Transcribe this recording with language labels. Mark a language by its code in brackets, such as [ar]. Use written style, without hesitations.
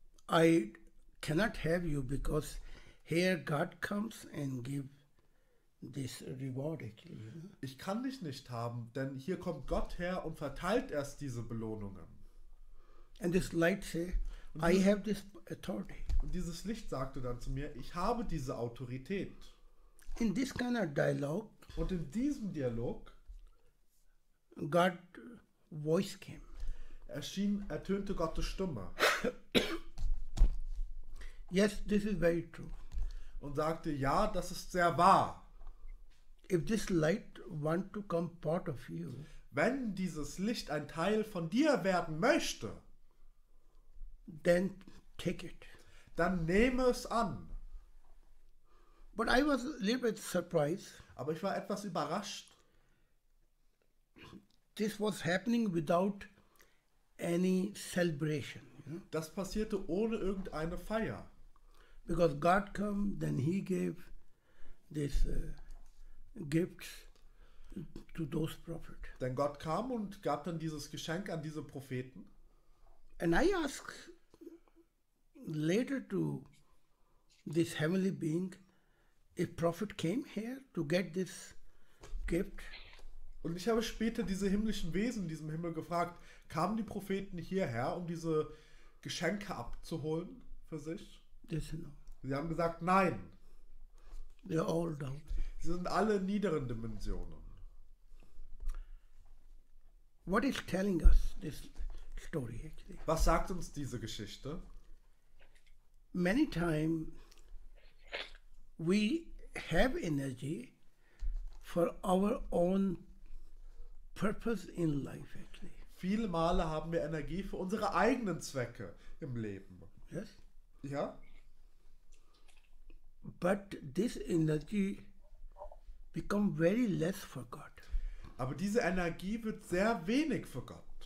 [en] I cannot have you because here God comes and give this reward actually. [de] Ich kann dich nicht haben, denn hier kommt Gott her und verteilt erst diese Belohnungen. [en] And this light say, I have this authority. [de] Und dieses Licht sagte dann zu mir, ich habe diese Autorität. [en] In this kind of dialogue, [de] und in diesem Dialog, [en] God voice came. [de] Ertönte Gottes Stimme. [en] Yes, this is very true. [de] und sagte, ja, das ist sehr wahr. [en] If this light want to come part of you, [de] wenn dieses Licht ein Teil von dir werden möchte, [en] then take it. [de] Dann nehme es an. [en] But I was a little bit surprised. [de] Aber ich war etwas überrascht. [en] This was happening without any celebration. [de] Das passierte ohne irgendeine Feier. [en] Because God came, then he gave this gifts to those prophets. [de] Denn Gott kam und gab dann dieses Geschenk an diese Propheten. [en] And I asked later to this heavenly being if prophet came here to get this gift. [de] Und ich habe später diese himmlischen Wesen in diesem Himmel gefragt, kamen die Propheten hierher, um diese Geschenke abzuholen für sich? [en] No. [de] Sie haben gesagt, nein. [en] They're all down. [de] Sie sind alle in niederen Dimensionen. [en] What is telling us this story actually? [de] Was sagt uns diese Geschichte? [en] Many times we have energy for our own purpose in life actually. [de] Viele Male haben wir Energie für unsere eigenen Zwecke im Leben. [en] Yes? [de] Ja. [en] But this energy become very less for God. [de] Aber diese Energie wird sehr wenig für Gott.